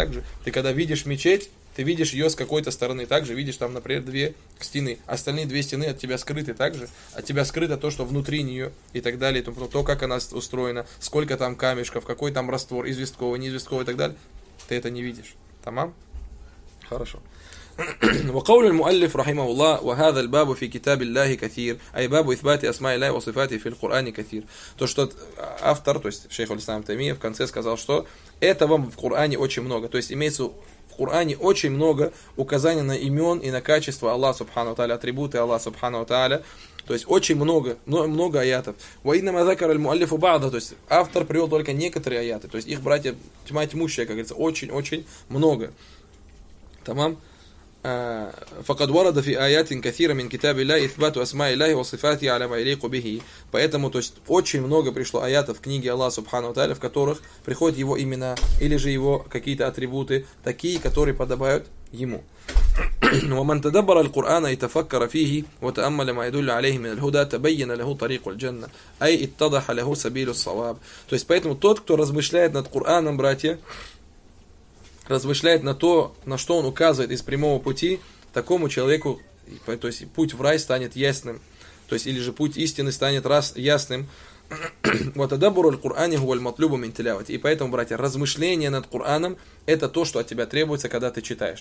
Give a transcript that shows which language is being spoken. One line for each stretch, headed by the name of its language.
Russian: Также ты когда видишь мечеть, ты видишь ее с какой-то стороны, также видишь там, например, две стены. Остальные две стены от тебя скрыты также. От тебя скрыто то, что внутри нее и так далее. То, как она устроена, сколько там камешков, какой там раствор, известковый, неизвестковый и так далее. Ты это не видишь. Тамам? Хорошо.
Arabic: وقول المؤلف رحمه الله وهذا الباب في كتاب الله كثير أي باب إثبات أسماء الله وصفاته في القرآن كثير.
Russian: То что автор, то есть шейх аль-Ислам Таймия в конце сказал, что этого в Коране очень много. То есть имеется в Коране очень много указаний на имен и на качества Аллаха Субхану Тааля, атрибуты Аллаха Субхану Тааля. То есть очень много аятов.
Arabic: وَإِنَّمَا ذَكَرَ الْمُؤَلِّفُ بَعْضَ.
Russian: То есть автор привел только некоторые аяты. То есть их, братья, тьма тьмущая, как говорится, очень-очень много. Тамам?
Arabic: فقد ورد في آيات كثيرة من كتاب الله إثبات أسماء الله وصفاته على ما يليق به.
Russian: Поэтому, то есть, очень много пришло аятов в книге Аллаха Субхану Тааля, в которых приходят его имена или же его какие-то атрибуты, такие, которые подобают ему.
Arabic: ومن تدبر القرآن يتفكر فيه وتأمل ما يدل عليه من الهدى تبين له طريق الجنة أي اتضح له سبيل الصواب.
Russian: То есть, поэтому тот, кто размышляет над Кораном, братья, размышляет на то, на что он указывает из прямого пути, такому человеку, то есть путь в рай станет ясным, то есть или же путь истины станет ясным.
Arabic: Вот адабуру аль-Курани хуа аль-матлюбу мин тилавати.
Russian: И поэтому, братья, размышление над Кораном — это то, что от тебя требуется, когда ты читаешь.